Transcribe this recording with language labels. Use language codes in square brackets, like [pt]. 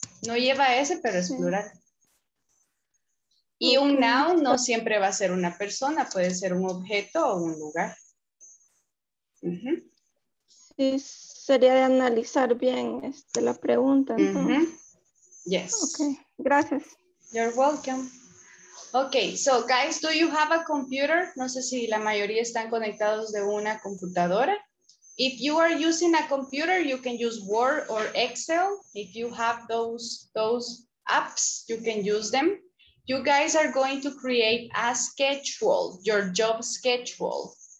[es] No lleva S, pero es plural. Y un noun no siempre va a ser una persona, puede ser un objeto o un lugar. Sí, sería de analizar bien la pregunta, ¿no? [en] Yes. [es] Okay, gracias. [en] You're welcome. Okay, so guys, do you have a computer? [es] No sé si la mayoría están conectados de una computadora. [en] If you are using a computer, you can use Word or Excel. If you have those apps, you can use them. You guys are going to create a schedule, your job schedule.